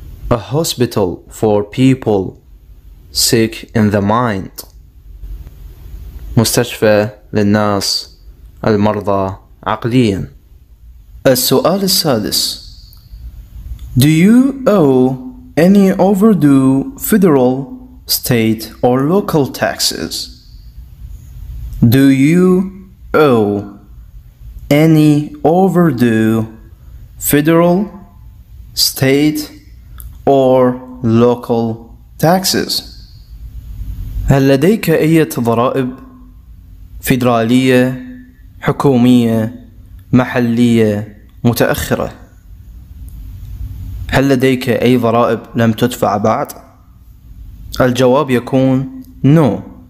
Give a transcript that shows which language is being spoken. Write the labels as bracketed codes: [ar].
[en] A hospital for people sick in the mind. [ar] مستشفى للناس المرضى عقليا. السؤال السادس [en] Do you owe any overdue federal, state, or local taxes? Do you owe any overdue federal, state, or local taxes? [ar] هل لديك أي ضرائب فيدرالية، حكومية، محلية متأخرة؟ هل لديك أي ضرائب لم تدفع بعد؟ الجواب يكون [en] No.